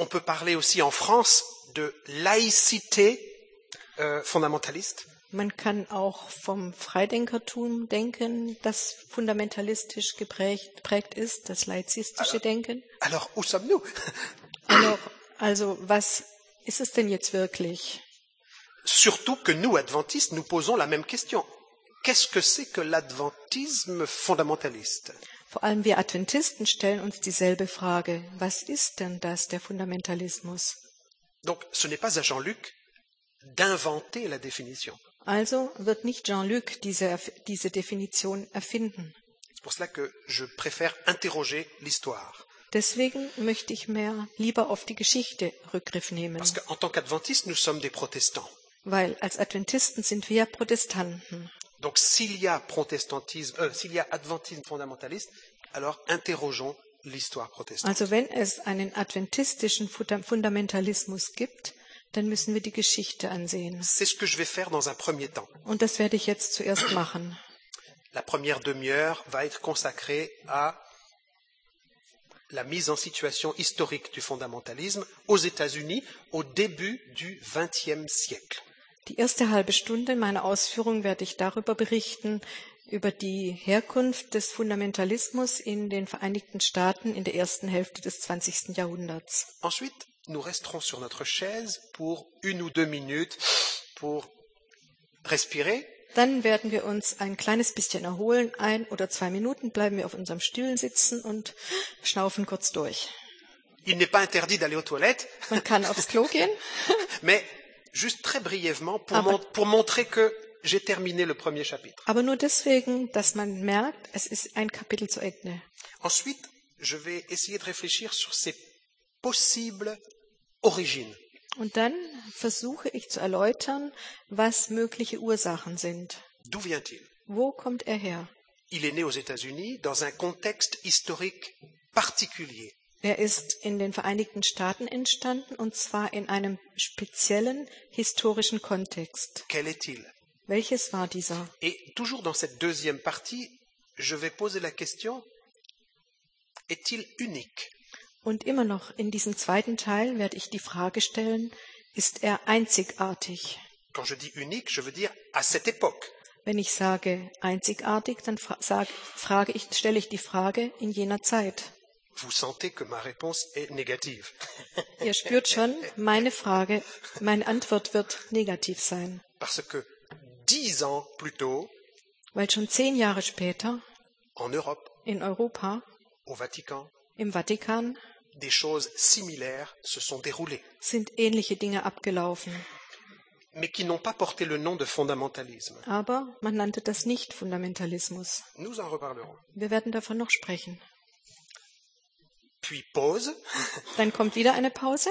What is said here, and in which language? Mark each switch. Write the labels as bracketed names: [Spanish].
[French] On peut parler aussi en France de laïcité fondamentaliste. [German] Man kann auch vom Freidenkertum denken, das fundamentalistisch geprägt ist, das laizistische Denken. [French] Alors, où sommes-nous? [German] Also, was ist es denn jetzt wirklich? [French] Surtout que nous, adventistes, nous posons la même question. Qu'est-ce que c'est que l'adventisme fondamentaliste? [German] Vor allem wir Adventisten stellen uns dieselbe Frage. Was ist denn das, der Fundamentalismus? [French] Donc, ce n'est pas à Jean-Luc d'inventer la définition. [German] Also wird nicht Jean-Luc diese Definition erfinden. [French] C'est pour cela que je préfère interroger l'histoire. [German] Deswegen möchte ich mehr lieber auf die Geschichte Rückgriff nehmen. [French] Parce qu'en tant qu'adventiste, nous sommes des protestants. [German] Weil als Adventisten sind wir Protestanten. [French] Donc s'il y a adventisme fondamentaliste, alors interrogeons l'histoire protestante. [German] Also wenn es einen adventistischen Fundamentalismus gibt, dann müssen wir die Geschichte ansehen. [French] C'est ce que je vais faire dans un premier temps. [German] Und das werde ich jetzt zuerst machen. [French] La première demi-heure va être consacrée à la mise en situation historique du fondamentalisme aux États-Unis au début du XXe siècle. [German] Die erste halbe Stunde meiner Ausführung werde ich darüber berichten, über die Herkunft des Fundamentalismus in den Vereinigten Staaten in der ersten Hälfte des 20. Jahrhunderts. [French] Ensuite, nous resterons sur notre chaise pour une ou deux minutes pour respirer. [German] Dann werden wir uns ein kleines bisschen erholen. Ein oder zwei Minuten bleiben wir auf unserem Stühlen sitzen und schnaufen kurz durch. [French] Il n'est pas interdit d'aller aux toilettes. [German] Man kann aufs Klo gehen. [French] Mais juste très brièvement pour montrer que j'ai terminé le premier chapitre. [German] Aber nur deswegen, dass man merkt, es ist ein Kapitel zu Ende. [French] Ensuite, je vais essayer de réfléchir sur ces possible origine. [German] Und dann versuche ich zu erläutern, was mögliche Ursachen sind. [French] D'où vient-il? [German] Wo kommt er her? [French] Il est né aux États-Unis dans un contexte historique particulier. [German] Er ist in den Vereinigten Staaten entstanden, und zwar in einem speziellen historischen Kontext. [French] Quel est-il? [German] Welches war dieser? [French] Et toujours dans cette deuxième partie, je vais poser la question, est-il unique? [German] Und immer noch in diesem zweiten Teil werde ich die Frage stellen, ist er einzigartig? [French] Quand je dis unique, je veux dire à cette époque. [German] Wenn ich sage einzigartig, dann stelle ich die Frage in jener Zeit. [French] Vous sentez que ma réponse est négative. [German] Ihr spürt schon, meine Antwort wird negativ sein. [French] Parce que 10 ans plus tôt, [German] weil schon 10 Jahre später, [French] en Europe, [German] in Europa, [French] au Vatican, [German] im Vatikan, [French] des choses similaires se sont déroulées. [German] Sind ähnliche Dinge abgelaufen. [French] Mais qui n'ont pas porté le nom de fondamentalisme. [German] Aber man nannte das nicht Fundamentalismus. [French] Nous en reparlerons. [German] Wir werden davon noch sprechen. [French] Puis pause. [German] Dann kommt wieder eine Pause.